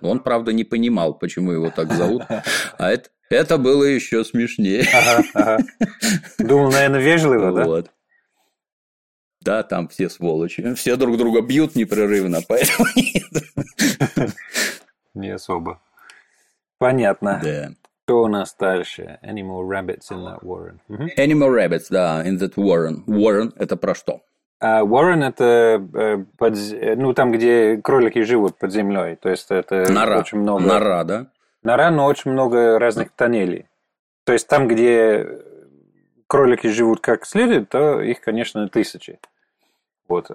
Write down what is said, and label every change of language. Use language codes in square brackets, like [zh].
[ru] Он, правда, не понимал, почему его так зовут. А это было еще смешнее. Думал, наверное, вежливо, да? Вот. Да, там все сволочи. Все друг друга бьют непрерывно, поэтому нет. Не особо. Понятно. Да. Что у нас дальше? [en] Animal rabbits in that warren. Uh-huh. Animal rabbits, да, in that warren. [ru] Warren – это про что? Warren – это под, ну, там, где кролики живут под землей. То есть это нора. Очень много... Нора, да? Нора, но очень много разных тоннелей. То есть там, где кролики живут как следует, то их, конечно, тысячи. Вот.